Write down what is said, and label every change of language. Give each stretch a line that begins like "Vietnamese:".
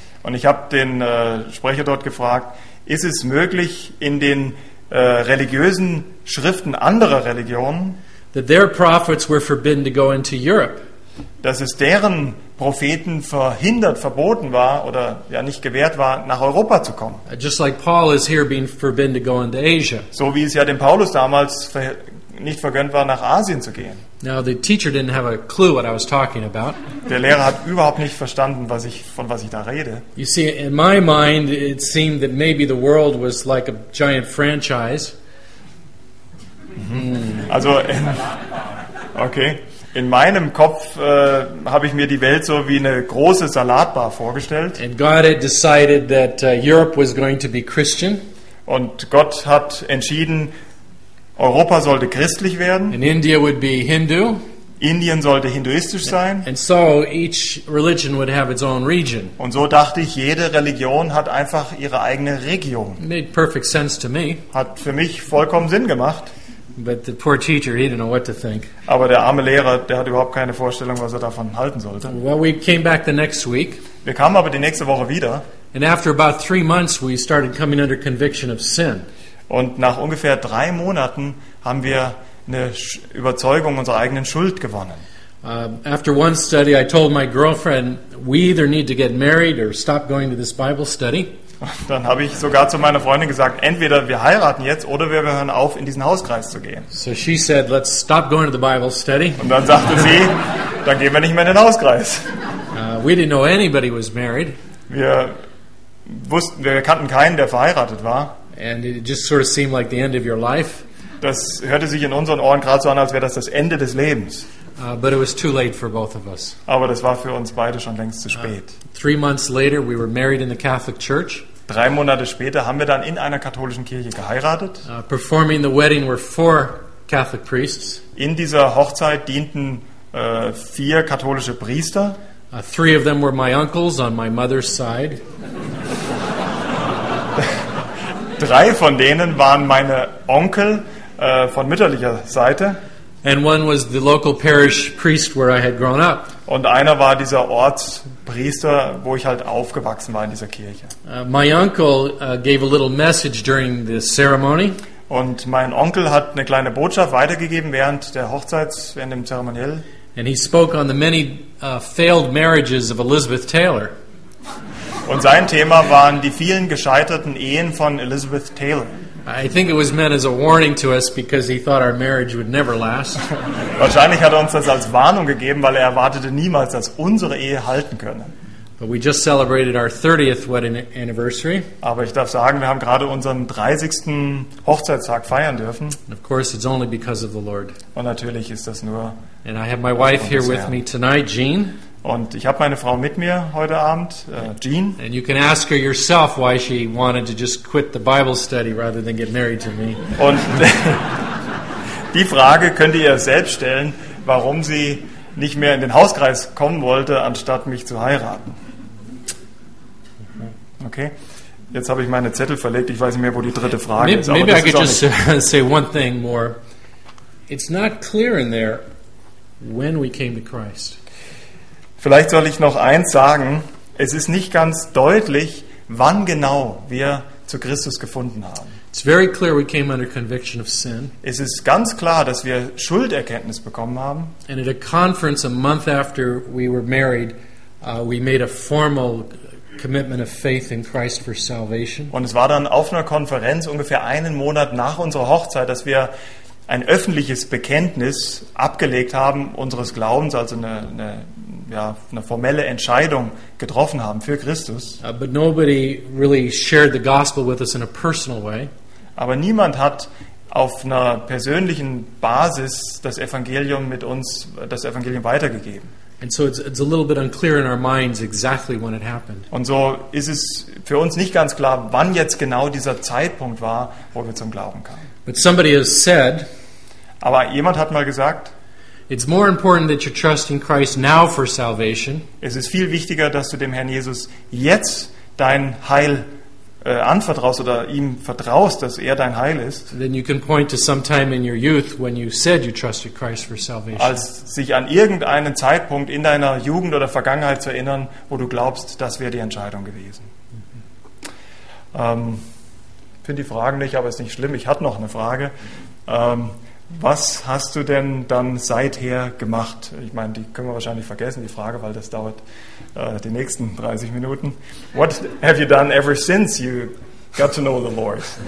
German: Und ich habe den Sprecher dort gefragt, ist es möglich in den religiösen Schriften anderer Religionen,
English: that their prophets were forbidden to go into Europe?
German: Dass es deren Propheten verboten war oder ja nicht gewährt war, nach Europa zu kommen.
English: Just like Paul is here being forbidden to go into Asia.
German: So wie es ja dem Paulus damals nicht vergönnt war, nach Asien zu gehen.
English: Now the teacher didn't have a clue what I was talking about.
German: Der Lehrer hat überhaupt nicht verstanden, was ich da rede.
English: You see, in my mind it seemed that maybe the world was like a giant franchise.
German: Also okay. In meinem Kopf habe ich mir die Welt so wie eine große Salatbar vorgestellt.
English: And God had decided that Europe was going to be Christian.
German: Und Gott hat entschieden, Europa sollte christlich werden.
English: And India would be Hindu.
German: Indien sollte hinduistisch sein.
English: And so each religion would have its own region.
German: Und so dachte ich, jede Religion hat einfach ihre eigene Region.
English: It made perfect sense to me.
German: Hat für mich vollkommen Sinn gemacht.
English: But the poor teacher, he didn't know what to think.
German: Aber der arme Lehrer, der hat überhaupt keine Vorstellung, was er davon halten sollte.
English: Well, we came back the next week.
German: Wir kamen aber die nächste Woche wieder.
English: And after about 3 months, we started coming under conviction of sin.
German: Und nach ungefähr 3 Monaten haben wir eine Überzeugung unserer eigenen Schuld gewonnen.
English: After one study, I told my girlfriend, we either need to get married or stop going to this Bible study.
German: Dann habe ich sogar zu meiner Freundin gesagt, entweder wir heiraten jetzt oder wir hören auf, in diesen Hauskreis zu gehen.
English: So she said, let's stop going to the Bible study.
German: Und dann sagte sie, dann gehen wir nicht mehr in den Hauskreis.
English: We didn't know anybody was married.
German: Wir kannten keinen, der verheiratet war.
English: And it just sort of seemed like the end of your life.
German: Das hörte sich in unseren Ohren gerade so an, als wäre das Ende des Lebens.
English: But it was too late for both of us.
German: Aber das war für uns beide schon längst zu spät.
English: 3 months later, we were married in the Catholic Church.
German: 3 Monate später haben wir dann in einer katholischen Kirche geheiratet.
English: Performing the wedding were 4 Catholic priests.
German: In dieser Hochzeit dienten 4 katholische Priester.
English: 3 of them were my uncles on my mother's side.
German: 3 von denen waren meine Onkel von mütterlicher Seite.
English: And one was the local parish priest where I had grown up.
German: Und einer war dieser Ortspriester, wo ich halt aufgewachsen war in dieser Kirche.
English: My uncle gave a little message during the ceremony.
German: Und mein Onkel hat eine kleine Botschaft weitergegeben während der Hochzeits, während dem Zeremoniell.
English: And he spoke on the many failed marriages of Elizabeth Taylor.
German: Und sein Thema waren die vielen gescheiterten Ehen von Elizabeth Taylor.
English: I think it was meant as a warning to us because he thought our marriage would never last.
German: Wahrscheinlich hat er uns das als Warnung gegeben, weil er erwartete niemals, dass unsere Ehe halten könne.
English: But we just celebrated our 30th wedding anniversary.
German: Aber ich darf sagen, wir haben gerade unseren 30. Hochzeitstag feiern dürfen.
English: Of course, it's only because of the Lord.
German: Und natürlich ist das nur.
English: And I have my wife here with me tonight, Jean.
German: Und ich habe meine Frau mit mir heute Abend, Jean.
English: And you can ask her yourself why she wanted to just quit the Bible study rather than get married to me.
German: Und die Frage könnt ihr selbst stellen, warum sie nicht mehr in den Hauskreis kommen wollte, anstatt mich zu heiraten. Okay, jetzt habe ich meine Zettel verlegt, ich weiß nicht mehr, wo die dritte Frage
English: maybe,
German: ist.
English: Maybe
German: aber
English: I could
German: ist
English: just say one thing more. It's not clear in there when we came to Christ.
German: Vielleicht soll ich noch eins sagen, es ist nicht ganz deutlich, wann genau wir zu Christus gefunden haben.
English: It's very clear we came under conviction of sin.
German: Es ist ganz klar, dass wir Schulderkenntnis bekommen haben.
English: And at a conference a month after we were married, we made a formal commitment of faith in Christ for salvation.
German: Und es war dann auf einer Konferenz ungefähr einen Monat nach unserer Hochzeit, dass wir ein öffentliches Bekenntnis abgelegt haben unseres Glaubens, also eine formelle Entscheidung getroffen haben für Christus.
English: But nobody really shared the gospel with us in a personal way.
German: Aber niemand hat auf einer persönlichen Basis das Evangelium mit uns, das Evangelium weitergegeben.
English: And so it's a little bit unclear in our minds exactly when it happened.
German: Und so ist es für uns nicht ganz klar, wann jetzt genau dieser Zeitpunkt war, wo wir zum Glauben kamen.
English: But somebody has said,
German: aber jemand hat mal gesagt,
English: it's more important that you trust in Christ now for salvation.
German: Es ist viel wichtiger, dass du dem Herrn Jesus jetzt dein Heil anvertraust oder ihm vertraust, dass er dein Heil ist,
English: then you can point to some time in your youth when you said you trusted Christ for salvation.
German: Als sich an irgendeinen Zeitpunkt in deiner Jugend oder Vergangenheit zu erinnern, wo du glaubst, das wäre die Entscheidung gewesen. Finde die Frage nicht, aber ist nicht schlimm. Ich hatte noch eine Frage. Was hast du denn dann seither gemacht? Ich meine, die können wir wahrscheinlich vergessen, die Frage, weil das dauert die nächsten 30 Minuten.
English: What have you done ever since you got to know the Lord?